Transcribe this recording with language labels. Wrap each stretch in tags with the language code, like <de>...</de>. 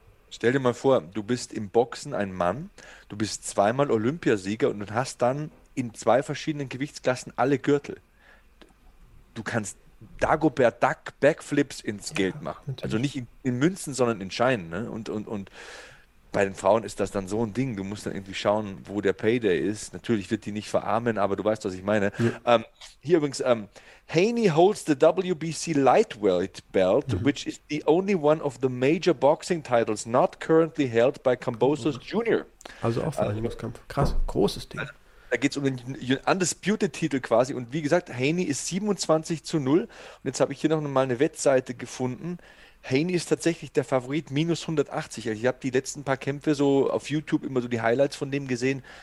<de>Stell dir mal vor, du bist im Boxen ein Mann, du bist zweimal Olympiasieger und hast dann in zwei verschiedenen Gewichtsklassen alle Gürtel. Du kannst Dagobert Duck Backflips ins Geld machen. Also Natürlich. nicht in Münzen, sondern in Scheinen. Ne? Und bei den Frauen ist das dann so ein Ding. Du musst dann irgendwie schauen, wo der Payday ist. Natürlich wird die nicht verarmen, aber du weißt, was ich meine. Hier übrigens,</de> <en>Haney holds the WBC Lightweight Belt, which is the only one of the major boxing titles not currently held by Kambosos Junior.</en> <de>Also auch Verhandlungskampf. Krass, großes Ding. Da geht es um den Undisputed-Titel quasi. Und wie gesagt, Haney ist 27 zu 0. Und jetzt habe ich hier noch mal eine Wettseite gefunden. Haney ist tatsächlich der Favorit, minus 180. Also ich habe die letzten paar Kämpfe so auf YouTube immer so die Highlights von dem gesehen.</de>